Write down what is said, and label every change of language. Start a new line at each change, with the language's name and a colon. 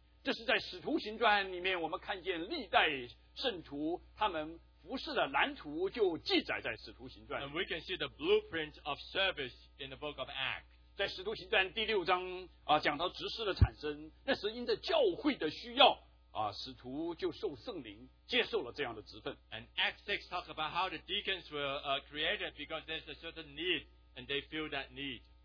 Chinese: 这是在《使徒行传》里面，我们看见历代圣徒他们服侍的蓝图就记载在《使徒行传》。And
English: we can see the blueprint of service in the book of Acts.
Chinese: 在《使徒行传》第六章讲到执事的产生，那是因着教会的需要，使徒就受圣灵。接受了这样的职分。And
English: Acts 6 talk about how the deacons were created because there's a certain need and they feel that need.